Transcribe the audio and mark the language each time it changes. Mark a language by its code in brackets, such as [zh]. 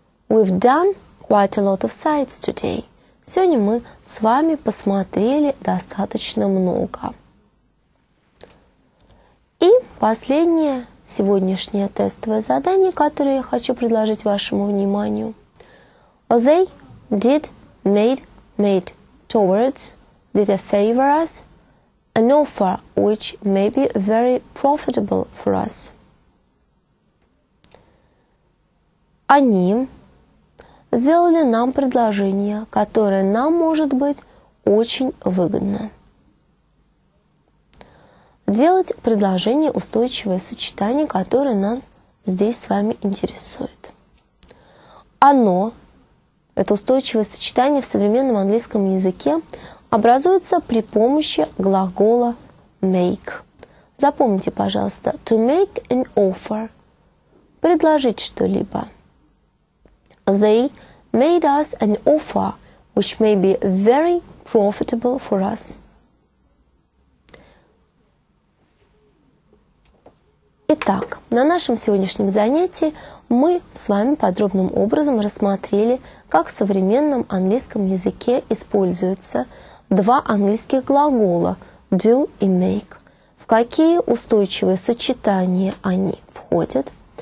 [en] We've done quite a lot of sights today. [ru] Сегодня мы с вами посмотрели достаточно много. И последнее сегодняшнее тестовое задание, которое я хочу предложить вашему вниманию. [en] They did, made, made towards, did a favor us, an offer which may be very profitable for us. [ru] Они сделали нам предложение, которое нам может быть очень выгодно. Делать предложение устойчивое сочетание, которое нас здесь с вами интересует. Оно, это устойчивое сочетание в современном английском языке, образуется при помощи глагола make. Запомните, пожалуйста, [en] to make an offer. [ru] Предложить что-либо. [en] They made us an offer, which may be very profitable for us. [ru] Итак, на нашем сегодняшнем занятии мы с вами подробным образом рассмотрели, как в современном английском языке используются два английских глагола do и make, в какие устойчивые сочетания они входят.